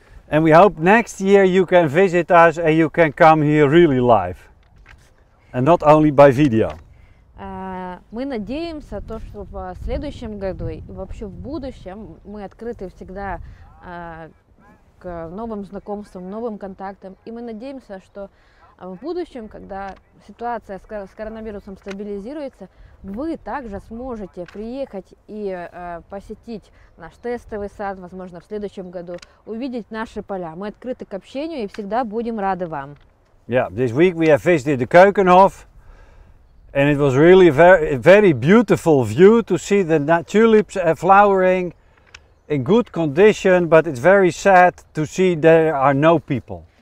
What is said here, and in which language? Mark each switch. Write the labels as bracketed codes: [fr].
[en] And we hope next year you can visit us and you can come here really live. And not only by video. [ru] Мы надеемся, то, что в следующем году и вообще в будущем мы открыты всегда к новым знакомствам, новым контактам. И мы надеемся, что в будущем, когда ситуация с коронавирусом стабилизируется, вы также сможете приехать и посетить наш тестовый сад, возможно, в следующем году, увидеть наши поля. Мы открыты к общению и всегда будем рады вам. [en] Yeah, this week we have visited the Keukenhof. And it was really very beautiful view to see the tulips flowering in good condition, but it's very sad to see there are no people.